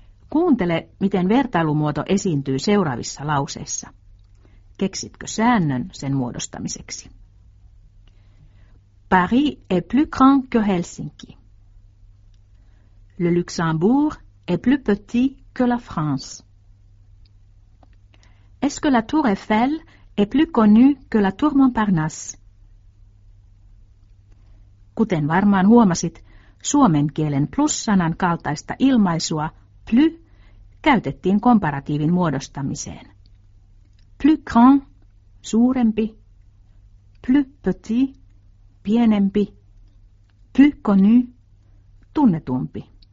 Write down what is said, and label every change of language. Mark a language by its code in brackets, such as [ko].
[fi] Kuuntele, miten vertailumuoto esiintyy seuraavissa lauseissa. Keksitkö säännön sen muodostamiseksi? [fr] Paris est plus grand que Helsinki. Le Luxembourg est plus petit que la France. Est-ce que la Tour Eiffel est plus connue que la Tour Montparnasse? [fi] Kuten varmaan huomasit, suomen kielen plussanan kaltaista ilmaisua plus käytettiin komparatiivin muodostamiseen. [fr] Plus grand, suurempi. Plus petit, pienempi, plus connu, tunnetumpi.